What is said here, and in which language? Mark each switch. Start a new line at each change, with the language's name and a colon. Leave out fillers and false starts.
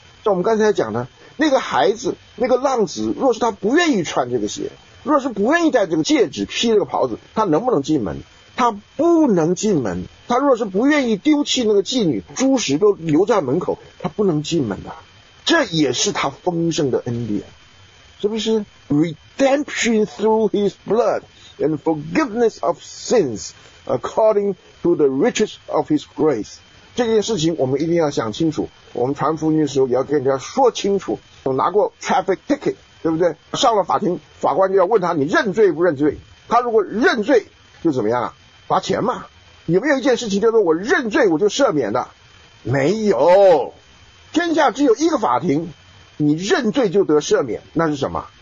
Chinese: 像我们刚才讲的那个孩子，那个浪子，若是他不愿意穿这个鞋，若是不愿意戴这个戒指披这个袍子，他能不能进门？他不能进门。他若是不愿意丢弃那个妓女，猪食都留在门口，他不能进门的。这也是他丰盛的恩典，是不是？
English: Redemption through his blood and forgiveness of sins according to the riches of his grace。
Chinese: 这件事情我们一定要想清楚，我们传福音的时候也要跟人家说清楚。我拿过 traffic ticket， 对不对？上了法庭，法官就要问他，你认罪不认罪？他如果认罪就怎么样啊？罚钱嘛。有没有一件事情叫做我认罪我就赦免的？没有，天下只有一个法庭，你认罪就得赦免，那是什么？